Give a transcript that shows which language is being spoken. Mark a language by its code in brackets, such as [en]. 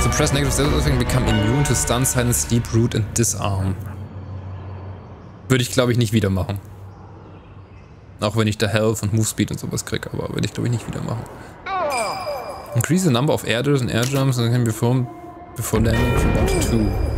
[en] Suppress negative status and become immune to stun, silence, sleep, root and disarm. [de] Würde ich, glaube ich, nicht wieder machen. Auch wenn ich da Health und Move Speed und sowas kriege, aber würde ich, glaube ich, nicht wieder machen. [en] Increase the number of air drills and air jumps and can be formed before landing from 1 to 2.